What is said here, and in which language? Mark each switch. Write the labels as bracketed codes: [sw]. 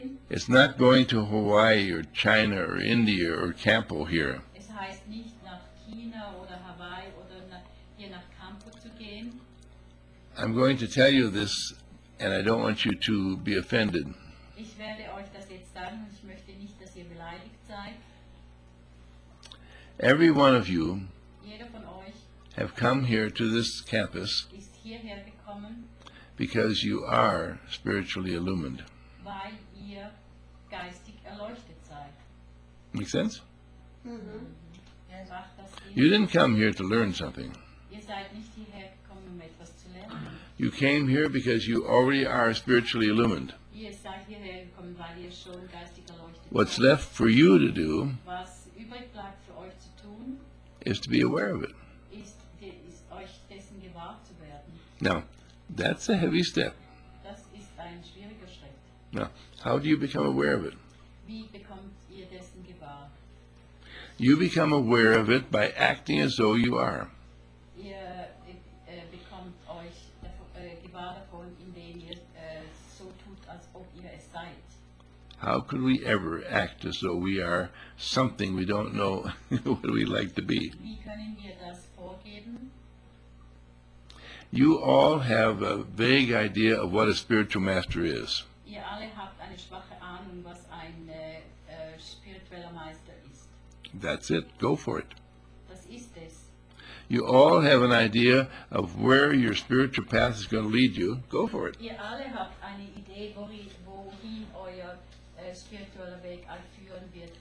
[en] It's not going to Hawaii or China or India or Campo here. [de] Es heißt nicht nach China oder Hawaii oder hier nach Campo zu gehen. [en] I'm going to tell you this and I don't want you to be offended. [de] Ich werde euch das jetzt sagen und ich möchte nicht, dass ihr beleidigt seid. [en] Every one of you, [de] jeder von euch, [en] have come here to this campus, [de] ist hierher gekommen, [en] because you are spiritually illumined. [de] Weil ihr geistig erleuchtet seid. [en] Make sense? Mm-hmm. You didn't come here to learn something. [de] Ihr seid nicht hierher gekommen, um etwas zu lernen. [en] You came here because you already are spiritually illumined. [de] Ihr seid hierher gekommen, weil ihr schon geistig erleuchtet seid. [en] What's left for you to do, [de] was übrig bleibt für euch zu tun, [en] is to be aware of it. [de] Ist euch dessen gewahr zu werden. [en] Now, that's a heavy step. [de] Das ist ein schwieriger Schritt. [en] Now, how do you become aware of it? [de] Wie bekommt ihr dessen gewahr? [en] You become aware of it by acting as though you are. [de] Ihr bekommt euch gewahr davon, indem ihr so tut, als ob ihr es seid. [en] How could we ever act as though we are something we don't know what we like to be? [de] Wie können wir das vorgeben? [en] You all have a vague idea of what a spiritual master is. [de] Ihr alle habt eine schwache Ahnung, was ein spiritueller Meister ist. [en] That's it. Go for it. [de] Das ist es. [en] You all have an idea of where your spiritual path is going to lead you. Go for it. [de] Ihr alle habt eine Idee, wohin euer spiritueller Weg führen wird.